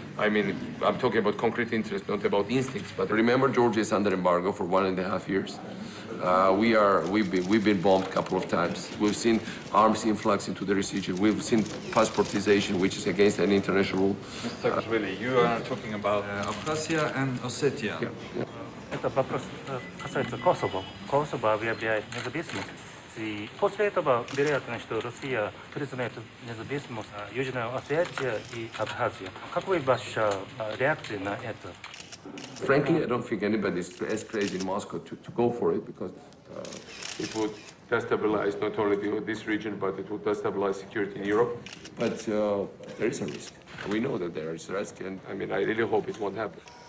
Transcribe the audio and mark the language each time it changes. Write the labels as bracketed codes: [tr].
[en] I mean, I'm talking about concrete interests, not about instincts. But remember, Georgia is under embargo for 1.5 years. We've been bombed a couple of times. We've seen arms influx into the region. We've seen passportization, which is against any international rule. Mr. Kashvili, you are talking about Abkhazia and Ossetia. Yeah. [ru] Это вопрос касается Косово. Косово объявляет независимость. И после этого вероятно, что Россия признает независимость Южной Осетии и Абхазии. Какова ваша реакция на это? [en] Frankly, I don't think anybody's as crazy in Moscow to go for it, because it would destabilize not only this region, but it would destabilize security in Europe. But there is a risk. We know that there is a risk, and I mean, I really hope it won't happen.